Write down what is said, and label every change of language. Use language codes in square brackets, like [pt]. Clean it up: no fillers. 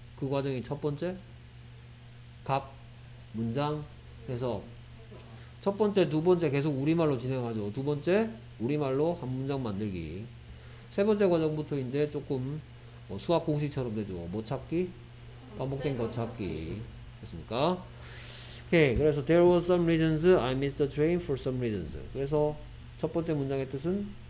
[ko] 그 과정이 첫 번째 각 문장 해서 첫 번째 두 번째 계속 우리말로 진행하죠. 두 번째 우리말로 한 문장 만들기. 세 번째 과정부터 이제 조금 뭐 수학 공식처럼 되죠. 뭐 찾기? 반복된 거 찾기. 됐습니까? 오케이. 그래서 [en] there were some reasons I missed the train for some reasons. [ko] 그래서 첫 번째 문장의 뜻은